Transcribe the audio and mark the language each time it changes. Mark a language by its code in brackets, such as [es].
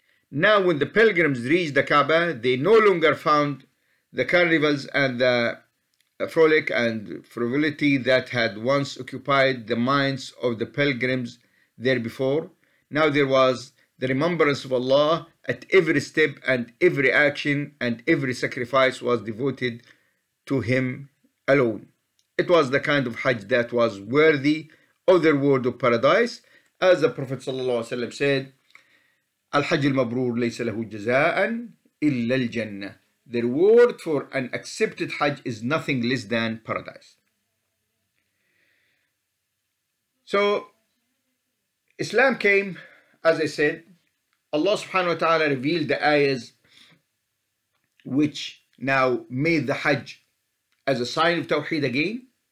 [en] Now, when the pilgrims reached the Kaaba, they no longer found the carnivals and the frolic and frivolity that had once occupied the minds of the pilgrims there before. Now there was the remembrance of Allah at every step, and every action and every sacrifice was devoted to Him alone. It was the kind of Hajj that was worthy of the reward of paradise. As the Prophet ﷺ said, [ar] الحج المبرور ليس له جزاء إلا الجنة. [en] The reward for an accepted Hajj is nothing less than paradise. So, Islam came, as I said, Allah subhanahu wa ta'ala revealed the ayahs which now made the Hajj as a sign of Tawheed again.